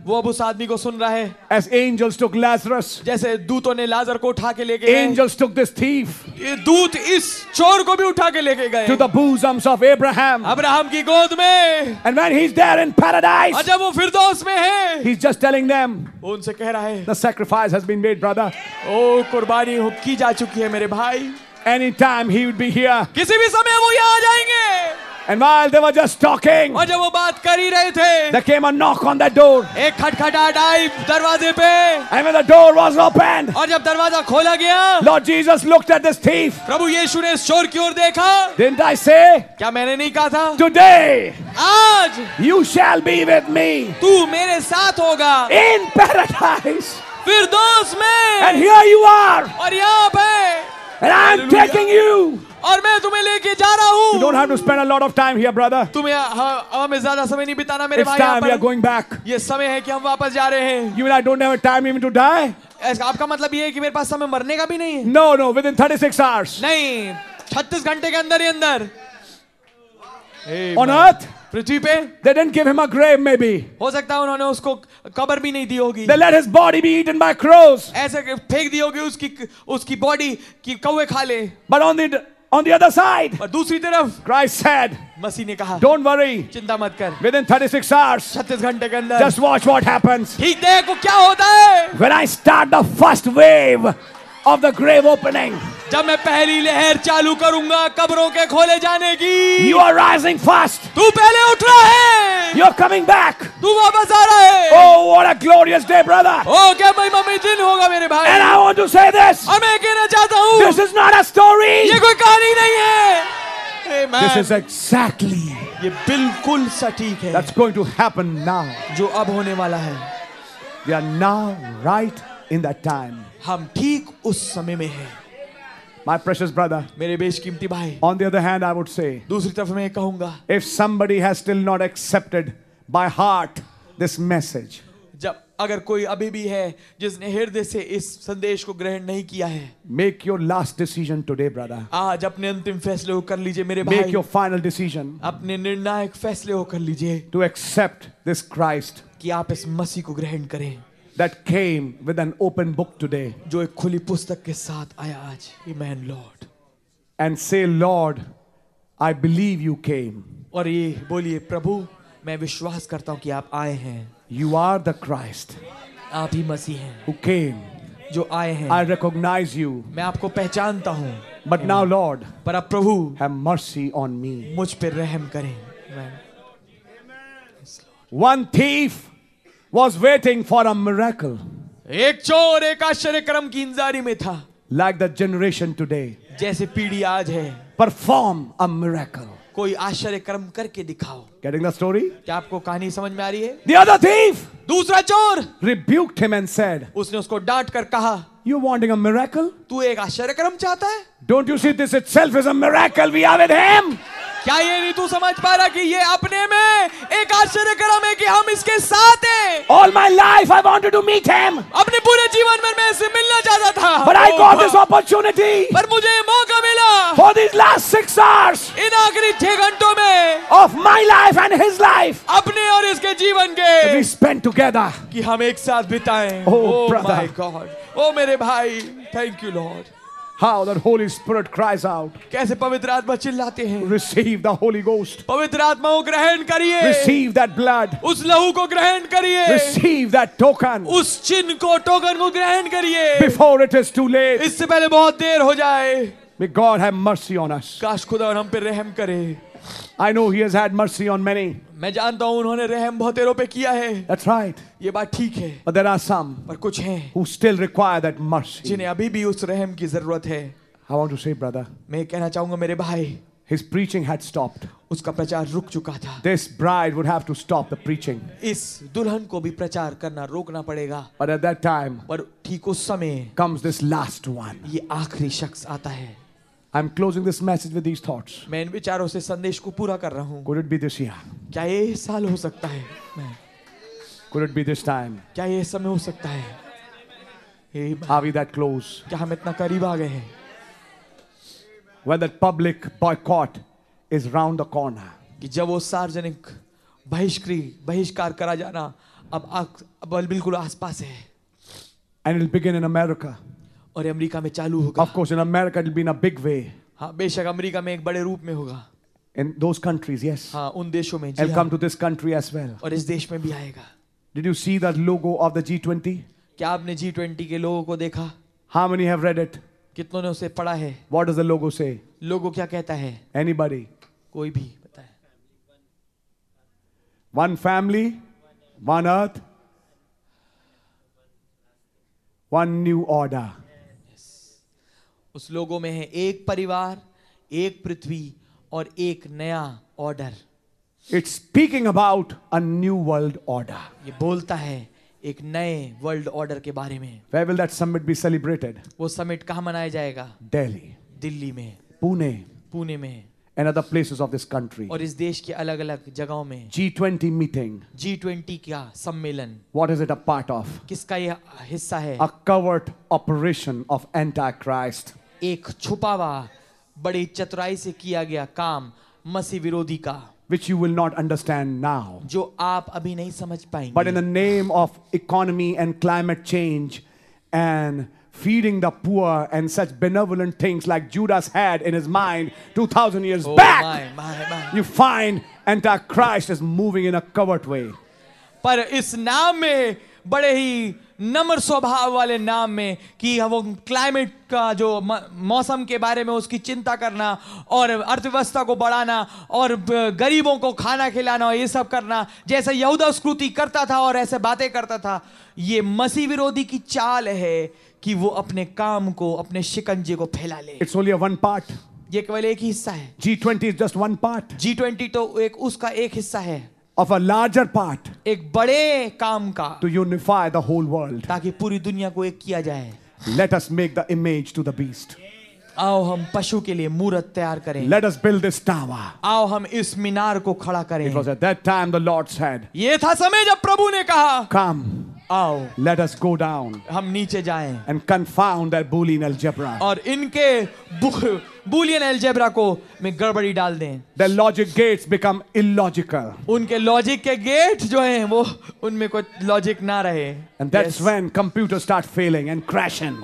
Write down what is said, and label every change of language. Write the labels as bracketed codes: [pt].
[hi] वो अब उस आदमी को सुन रहा है. [en] As angels took Lazarus. [hi] जैसे दूतों ने लाजर को उठा के ले गए. [en] Angels took this thief. [hi] ये दूत इस चोर को भी उठा के लेके गए. [en] To the bosoms of Abraham. [hi] Abraham की गोद में. [en] And when he's there in paradise. [hi] और जब वो फिरदौस में है. [en] He's just telling them. [hi] वो उनसे कह रहा है. [en] The sacrifice has been made, brother. [hi] ओ कुर्बानी हो की जा चुकी है मेरे भाई. [en] Anytime he would be here. [hi] किसी भी समय वो यहाँ आ जाएंगे. [en] And while they were just talking, [hi] और जब वो बात कर ही रहे थे, [en] there came a knock on that door. [hi] एक खटखटाहट आई दरवाजे पे. [en] And when the door was opened, [hi] और जब दरवाजा खोला गया, [en] Lord Jesus looked at this thief. [hi] प्रभु यीशु ने इस चोर की ओर देखा. [en] Didn't I say? [hi] क्या मैंने नहीं कहा था? [en] Today, [hi] आज, [en] you shall be with me. [hi] तू मेरे साथ होगा. [en] In paradise, [hi] फिरदौस में. [en] And here you are. [hi] और यहाँ पे. [en] And I'm taking you. [hi] और मैं तुम्हें लेके जा रहा हूँ. [en] You don't have to spend a lot of time here, brother. [hi] तुम्हें हमें ज़्यादा समय नहीं बिताना मेरे भाई. [en] It's time we are going back. [hi] ये समय है कि हम वापस जा रहे हैं. [en] You mean I don't have time even to die? [hi] ऐसा आपका मतलब ये है कि मेरे पास समय मरने का भी नहीं है? [en] No, no. Within 36 hours. [hi] नहीं, 36 घंटे के अंदर ही अंदर. [en] On earth. [hi] पृथ्वी पे. [en] They didn't give him a grave, maybe. [hi] हो सकता है उन्होंने उसको कब्र भी नहीं दी होगी. [en] They let his body be eaten by crows. [hi] ऐसे फेंक दी होगी उसकी बॉडी की कौवे खा ले. [en] But on the other side. [hi] और दूसरी तरफ. [en] Christ said. [hi] मसीह ने कहा. [en] Don't worry. [hi] चिंता मत कर. [en] Within 36 hours. [hi] 36 घंटे के अंदर. [en] Just watch what happens. [hi] ठीक देखो क्या होता है. [en] When I start the first wave of the grave opening. [hi] जब मैं पहली लहर चालू करूंगा कब्रों के खोले जाने की. [en] You are rising fast. [hi] तू पहले उठ रहा है. [en] You are coming back. [hi] तू वापस आ रहा है. [en] Oh, what a glorious day, brother. [hi] Oh, क्या महिमामय दिन होगा मेरे भाई. [en] And I want to say this. [hi] और मैं कहना चाहता हूँ. [en] This is not a story. [hi] ये कोई कहानी नहीं है. [en] Amen. This is exactly. [hi] ये बिल्कुल सटीक है. [en] That's going to happen now. [hi] जो अब होने वाला है. [en] We are now right in that time. [hi] हम ठीक उस समय में हैं. [en] My precious brother. On the other hand, I would say, if somebody has still not accepted by heart this message, [hi] अगर कोई अभी भी है जिसने हृदय से इस संदेश को ग्रहण नहीं किया है, [en] Make your last decision today, brother. [hi] आज अपने अंतिम फैसले कर लीजिए मेरे भाई. [en] Make your final decision. [hi] अपने निर्णायक फैसले कर लीजिए. [en] To accept this Christ. [hi] कि आप इस मसीह को ग्रहण करें. [en] That came with an open book today. [hi] जो एक खुली पुस्तक के साथ आया आज. [en] Amen, Lord. And say, Lord, I believe you came. [hi] और ये बोलिए प्रभु मैं विश्वास करता हूँ कि आप आए हैं. [en] You are the Christ. [hi] आप ही मसीह हैं. [en] Who came? [hi] जो आए हैं. [en] I recognize you. [hi] मैं आपको पहचानता हूँ. [en] But now, Lord. [hi] पर अब प्रभु. [en] Have mercy on me. [hi] मुझ पर रहम करें. Amen. [en] One thief was waiting for a miracle. [hi] एक चोर एक आश्चर्यकर्म की इंतजारी में था. [en] Like the generation today. [hi] जैसे पीढ़ी आज है. [en] Perform a miracle. [hi] कोई आश्चर्यकर्म करके दिखाओ. [en] Getting the story? [hi] क्या आपको कहानी समझ में आ रही है? [en] The other thief. [hi] दूसरा चोर. [en] Rebuked him and said. [hi] उसने उसको डांट कर कहा. [en] You wanting a miracle? [hi] तू एक आश्चर्यकर्म चाहता है? [en] Don't you see this itself is a miracle? We are with him. [hi] क्या ये नहीं तू समझ पा रहा कि ये अपने में एक आश्चर्यकर्म है कि हम इसके साथ हैं? [en] All my life I wanted to meet him. [hi] अपने पूरे जीवन में मैं इसे मिलना चाहता था. [en] But I got this opportunity. [hi] पर मुझे मौका मिला. [en] For these last 6 hours. [hi] इन आखिरी 6 घंटों में. [en] Of my life and his life. [hi] अपने और इसके जीवन के. [en] We spent together. [hi] कि हम एक साथ बिताएं. Oh [en] brother. My God. Oh [hi] मेरे भाई. [en] Thank you Lord. How the Holy Spirit cries out. [hi] कैसे पवित्र आत्मा चिल्लाते हैं. [en] Receive the Holy Ghost. [hi] पवित्र आत्मा को ग्रहण करिए. [en] Receive that blood. [hi] उस लहू को ग्रहण करिए. [en] Receive that token. [hi] उस चिन्ह को टोकन को ग्रहण करिए. [en] Before it is too late. [hi] इससे पहले बहुत देर हो जाए. [en] May God have mercy on us. [hi] काश खुदा हम पे रहम करे. [en] I know He has had mercy on many. [hi] मैं जानता हूँ उन्होंने रहम बहुतेरों पे किया है. [en] That's right. [hi] ये बात ठीक है. [en] But there are some. [hi] पर कुछ हैं. [en] Who still require that mercy. [hi] जिन्हें अभी भी उस रहम की ज़रूरत है. [en] I want to say, brother. [hi] मैं कहना चाहूँगा मेरे भाई. [en] His preaching had stopped. [hi] उसका प्रचार रुक चुका था. [en] This bride would have to stop the preaching. [hi] इस दुल्हन को भी प्रचार करना रोकना पड़ेगा. [en] But at that time. [hi] पर ठीक उस समय. [en] Comes this last one. [hi] ये आखिरी शख्स आता है. [en] I'm closing this message with these thoughts. [hi] मैं इन विचारों से संदेश को पूरा कर रहा हूँ. [en] Could it be this year? [hi] क्या ये साल हो सकता है? [en] Could it be this time? [hi] क्या ये समय हो सकता है? [en] Are we that close? [hi] क्या हम इतना करीब आ गए हैं? [en] When that public boycott is round the corner. [hi] कि जब वो सार्वजनिक बहिष्कार करा जाना अब बिल्कुल आसपास है. [en] And it'll begin in America. [hi] और अमेरिका में चालू होगा. [en] Of course, in America, it'll be in a big way. [hi] हाँ, बेशक अमेरिका में एक बड़े रूप में होगा. [en] In those countries, yes. [hi] हाँ, उन देशों में. [en] It'll come to this country as well. [hi] और इस देश में भी आएगा. [en] Did you see that logo of the G20? [hi] क्या आपने G20 के लोगो को देखा? [en] How many have read it? [hi] कितनों ने उसे पढ़ा है? [en] What does the logo say? [hi] लोगो क्या कहता है? [en] Anybody? [hi] कोई भी बताए. [en] One family, one earth, one new order. [hi] उस लोगों में है एक परिवार एक पृथ्वी और एक नया order. [en] It's speaking about a new world order. [hi] ये बोलता है एक नए वर्ल्ड ऑर्डर के बारे में. [en] Where will that summit be celebrated? [hi] वो समिट कहाँ मनाया जाएगा? दिल्ली. दिल्ली में. पुणे. पुणे में. [en] And other places of this country. [hi] और इस देश के अलग अलग जगहों में. [en] G20 meeting. [hi] G20 क्या सम्मेलन. [en] What is it a part of? [hi] किसका यह हिस्सा है? [en] A covert operation of Antichrist. [hi] एक छुपा हुआ बड़ी चतुराई से किया गया काम मसीह विरोधी का. [en] Which you will not understand now. [hi] जो आप अभी नहीं समझ पाएंगे. [en] But in the name of economy and climate change and feeding the poor and such benevolent things like Judas had in his mind 2000 years back. My. You find Antichrist is moving in a covert way. [hi] पर इस नाम में बड़े ही नम्र स्वभाव वाले नाम में कि वो क्लाइमेट का जो मौसम के बारे में उसकी चिंता करना और अर्थव्यवस्था को बढ़ाना और गरीबों को खाना खिलाना और ये सब करना जैसे यहूदा स्कृति करता था और ऐसे बातें करता था. ये मसीह विरोधी की चाल है कि वो अपने काम को अपने शिकंजे को फैला ले. [en] It's only a one part. [hi] ये केवल एक हिस्सा है. [en] G20 is just one part. [hi] G20 तो एक उसका एक हिस्सा है. [en] Of a larger part. [hi] एक बड़े काम का. [en] To unify the whole world. [hi] ताकि पूरी दुनिया को एक किया जाए. [en] Let us make the image to the beast. [hi] आओ हम पशु के लिए मूरत तैयार करें. [en] Let us build this tower. [hi] आओ हम इस मीनार को खड़ा करें. [en] It was at that time the Lord said. [hi] ये था समय जब प्रभु ने कहा. [en] Come. [hi] आओ. [en] Let us go down. [hi] हम नीचे जाएं. [en] And confound that Boolean algebra. [hi] और इनके Boolean algebra को में गड़बड़ी डाल दें. [en] The logic gates become illogical. [hi] उनके logic के gates जो हैं वो उनमें कोई logic ना रहे. [en] And that's when computer start failing and crashing.